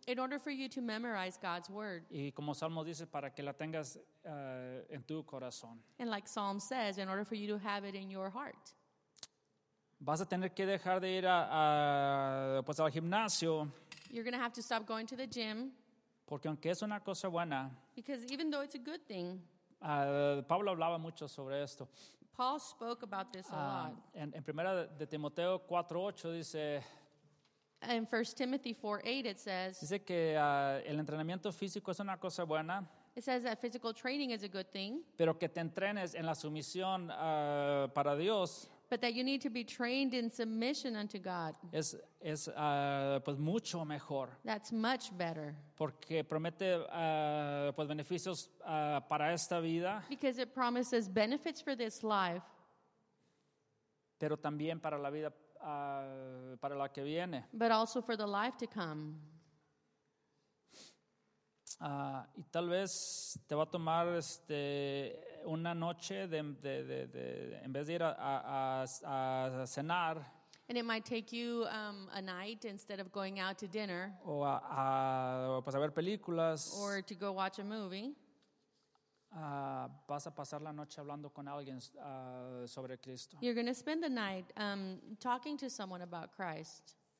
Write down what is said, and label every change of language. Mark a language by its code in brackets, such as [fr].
[en] In order for you to memorize God's word. [es] Y como Salmo dice, para que la tengas en tu corazón. [en] And like Psalm says, in order for you to have it in your heart. [es] Vas a tener que dejar de ir pues al gimnasio. [en] You're going to have to stop going to the gym. [es] Porque aunque es una cosa buena. [en] Because even though it's a good thing. [es] Pablo hablaba mucho sobre esto. [en] Paul spoke about this a lot. [es] En primera de Timoteo 4:8 dice. [en] In 1 Timothy 4:8 it says. [es] Dice que el entrenamiento físico es una cosa buena. [en] It says that physical training is a good thing. [es] Pero que te entrenes en la sumisión para Dios. [en] But that you need to be trained in submission unto God. [es] Es pues mucho mejor. [en] That's much better. [es] Porque promete pues beneficios para esta vida. [en] Because it promises benefits for this life. [es] Pero también para la vida para la que viene. [en] But also for the life to come. [es] Y tal vez te va a tomar una noche de en vez de ir a cenar. [en] And it might take you a night instead of going out to dinner. [es] O a ver películas. [en] Or to go watch a movie. [es] Vas a pasar la noche hablando con alguien sobre Cristo. [en] You're going to spend the night talking to someone about Christ.